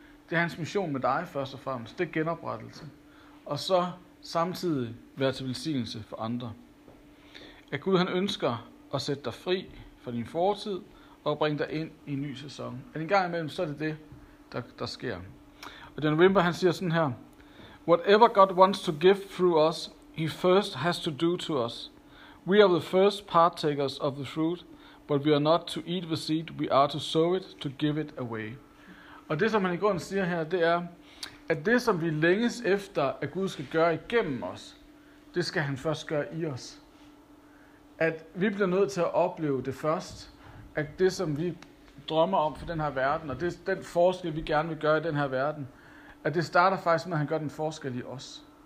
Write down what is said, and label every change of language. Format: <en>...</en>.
<da>Det er hans mission med dig først og fremmest. Det er genoprettelse. Og så samtidig være til velsignelse for andre. At Gud han ønsker at sætte dig fri fra din fortid og bringe dig ind i en ny sæson. At en gang imellem, så er det det, der sker. Og John Wimber han siger sådan her:</da> <en>Whatever God wants to give through us, he first has to do to us. We are the first partakers of the fruit, but we are not to eat the seed, we are to sow it, to give it away.</en> <da>Og det, som han i grunden siger her, det er, at det, som vi længes efter, at Gud skal gøre igennem os, det skal han først gøre i os. At vi bliver nødt til at opleve det først, at det, som vi drømmer om for den her verden, og det den forskel, vi gerne vil gøre i den her verden, at det starter faktisk med, at han gør den forskel i os.</da>